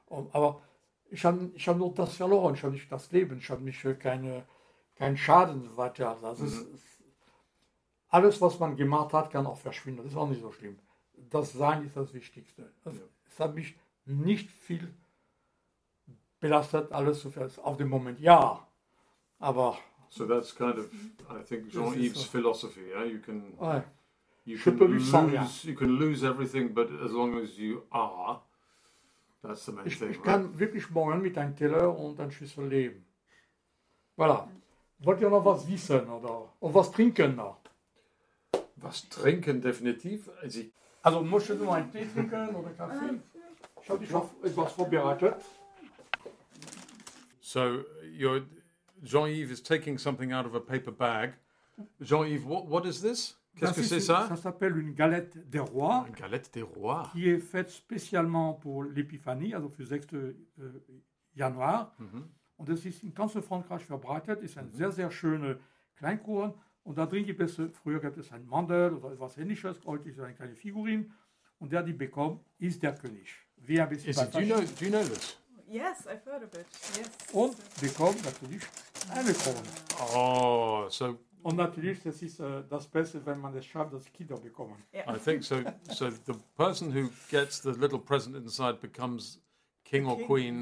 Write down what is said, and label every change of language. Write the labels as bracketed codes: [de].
[de] Aber ich habe nur das verloren, ich habe nicht das Leben, ich habe mich keinen Schaden weiter. Das ist, alles, was man gemacht hat, kann auch verschwinden. Das ist auch nicht so schlimm. Das Sein ist das Wichtigste. Es hat mich nicht viel belastet, alles zu verlassen. Auf dem Moment, ja. Aber. [en] So that's kind of, I think, Jean-Yves' philosophy. Yeah? You can, you can lose everything, but as long as you are. That's the main [de] ich [en] thing, [de] ich [en] right? [de] kann wirklich morgen mit einem Teller und einem Schüssel leben. Voilà. Wollt ihr noch was wissen oder und was trinken noch? Was trinken definitiv? Also möchtest du einen Tee trinken oder Kaffee? Ich habe dich auf etwas vorbereitet. [en] So, Jean-Yves is taking something out of a paper bag. Jean-Yves, what is this? [fr] Qu'est-ce que c'est ça? Ça s'appelle une galette des rois. Une galette des rois. Qui est faite spécialement pour l'épiphanie, alors le 6 janvier. [de] Und das ist in ganz Frankreich verbreitet. Ist ein sehr, sehr schöner Kleinkuchen. Und da drin gibt es, früher gab es ein Mandel oder etwas Ähnliches. Heute ist es eine kleine Figurin. Und der, die bekommt, ist der König. Wie ein bisschen weiter. [en] Do you know this? Yes, I've heard of it. Yes. [de] Und bekommt natürlich eine Krone. [en] Oh, so... [de] Und natürlich, das ist das Beste, wenn man es schafft, dass Kinder bekommen. [en] Yeah. I think so. So the person who gets the little present inside becomes king or queen.